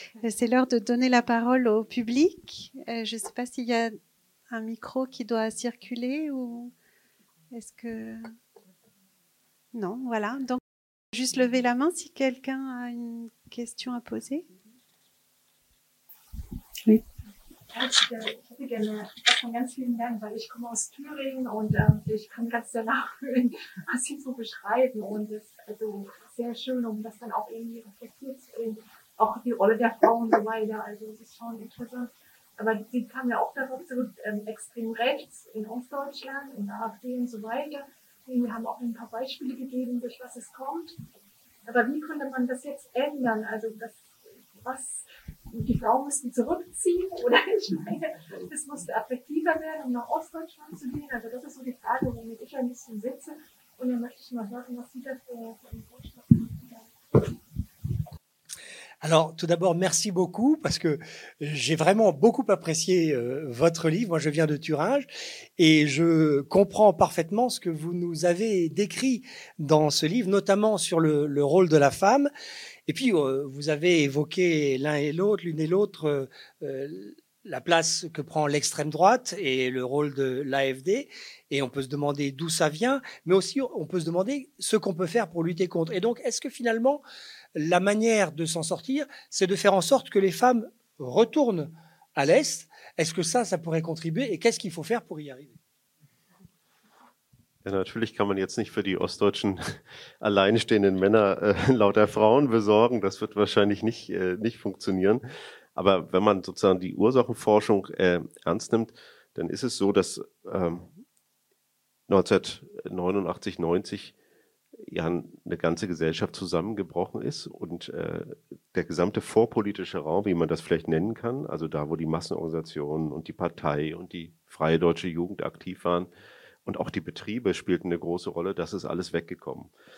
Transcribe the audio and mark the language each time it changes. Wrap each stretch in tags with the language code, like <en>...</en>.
<fr>C'est l'heure de donner la parole au public. Je ne sais pas s'il y a un micro qui doit circuler ou est-ce que... Non, voilà. Donc, juste lever la main si quelqu'un a une question à poser. Oui.</fr> <de>Ich hätte gerne erstmal ganz vielen Dank, weil ich komme aus Thüringen und ich kann ganz sehr nachfühlen, was Sie so beschreiben. Und es ist also sehr schön, um das dann auch irgendwie reflektiert zu sehen. Auch die Rolle der Frau und so weiter. Also, es ist schon interessant. Aber Sie kamen ja auch darauf zurück, extrem rechts in Ostdeutschland, in der AfD und so weiter. Wir haben auch ein paar Beispiele gegeben, durch was es kommt. Aber wie könnte man das jetzt ändern? Also, das, was, die Frauen müssten zurückziehen? Oder ich meine, es musste attraktiver werden, um nach Ostdeutschland zu gehen. Also, das ist so die Frage, womit ich ein bisschen sitze. Und dann möchte ich mal hören, was Sie da für einen Vorschlag machen.</de> <fr>Alors, tout d'abord, merci beaucoup parce que j'ai vraiment beaucoup apprécié votre livre. Moi, je viens de Thuringe et je comprends parfaitement ce que vous nous avez décrit dans ce livre, notamment sur le rôle de la femme. Et puis, vous avez évoqué l'un et l'autre, l'une et l'autre, la place que prend l'extrême droite et le rôle de l'AFD. Et on peut se demander d'où ça vient, mais aussi on peut se demander ce qu'on peut faire pour lutter contre. Et donc, est-ce que finalement, la manière de s'en sortir, c'est de faire en sorte que les femmes retournent à l'Est? Est-ce que ça pourrait contribuer et qu'est-ce qu'il faut faire pour y arriver?</fr> <de>Ja, natürlich kann man jetzt nicht für die ostdeutschen alleinstehenden Männer lauter Frauen besorgen. Das wird wahrscheinlich nicht funktionieren. Aber wenn man sozusagen die Ursachenforschung ernst nimmt, dann ist es so, dass 1989, 90 ja eine ganze Gesellschaft zusammengebrochen ist und der gesamte vorpolitische Raum, wie man das vielleicht nennen kann, also da, wo die Massenorganisationen und die Partei und die Freie Deutsche Jugend aktiv waren und auch die Betriebe spielten eine große Rolle, das ist alles weggekommen.</de>